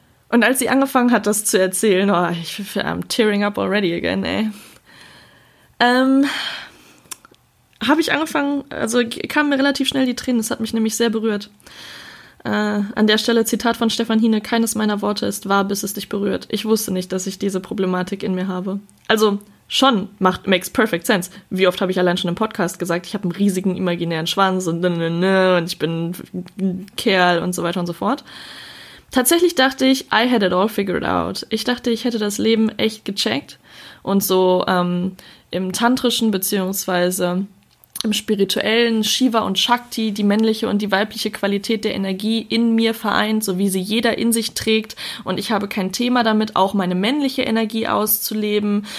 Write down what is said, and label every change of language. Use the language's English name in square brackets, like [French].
[German] Und als sie angefangen hat, das zu erzählen, [English] oh, I'm tearing up already again, [German] ey. Habe ich angefangen, also kamen mir relativ schnell die Tränen, das hat mich nämlich sehr berührt. An der Stelle Zitat von Stefan Hine, keines meiner Worte ist wahr, bis es dich berührt. Ich wusste nicht, dass ich diese Problematik in mir habe. Also schon, [English] makes perfect sense. [German] Wie oft habe ich allein schon im Podcast gesagt, ich habe einen riesigen imaginären Schwanz und ich bin ein Kerl und so weiter und so fort. Tatsächlich dachte ich, [English] I had it all figured out. [German] Ich dachte, ich hätte das Leben echt gecheckt und so im Tantrischen beziehungsweise im Spirituellen Shiva und Shakti, die männliche und die weibliche Qualität der Energie in mir vereint, so wie sie jeder in sich trägt. Und ich habe kein Thema damit, auch meine männliche Energie auszuleben.